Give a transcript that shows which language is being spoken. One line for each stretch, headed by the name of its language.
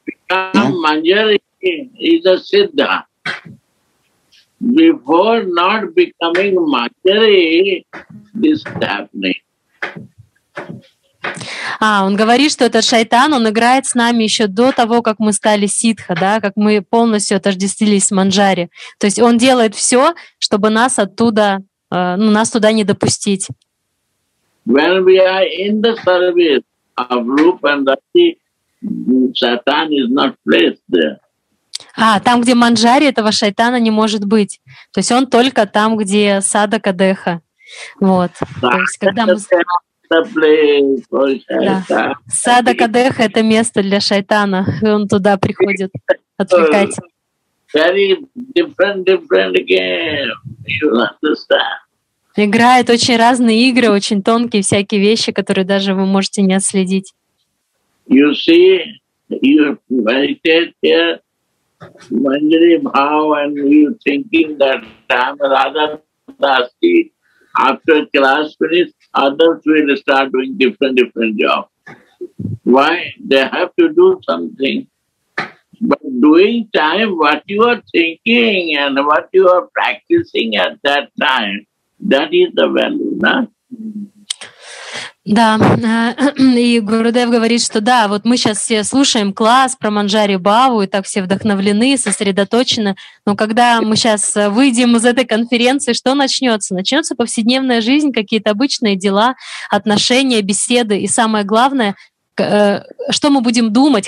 English: Манджари is a siddha. Before not becoming manjari, this is happening.
Russian: Он говорит, что этот шайтан, он играет с нами еще до того, как мы стали ситха, да, как мы полностью отождествились с манджари. То есть он делает все, чтобы нас оттуда, нас туда не допустить.
English: When we are in the service of Rupa and Rati, Satan is not placed there.
Russian: Там, где манджари, этого шайтана не может быть. То есть он только там, где садака деха. Вот. Да, то есть, когда садака деха — это место для шайтана, и он туда приходит отвлекать.
English: Very different game, you understand.
Russian: Играет очень разные игры, очень тонкие всякие вещи, которые даже вы можете не отследить.
English: You see, you meditate here. Manjari Bhav, and you thinking that I'm Radha Dasi. After class finish, others will start doing different job. Why? They have to do something. But doing time, what you are thinking and what you are practicing at that time, that is the value, na?
Russian: Да, и Гурудев говорит, что да, вот мы сейчас все слушаем класс про манджари бхаву, и так все вдохновлены, сосредоточены, но когда мы сейчас выйдем из этой конференции, что начнется? Начнется повседневная жизнь, какие-то обычные дела, отношения, беседы, и самое главное, что мы будем думать?